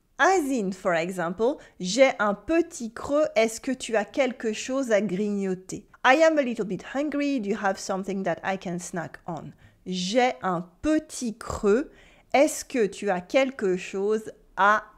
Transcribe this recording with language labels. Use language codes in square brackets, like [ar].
[en] As in, for example, [fr] j'ai un petit creux, est-ce que tu as quelque chose à grignoter? [en] I am a little bit hungry, do you have something that I can snack on? [fr] J'ai un petit creux, est-ce que tu as quelque chose à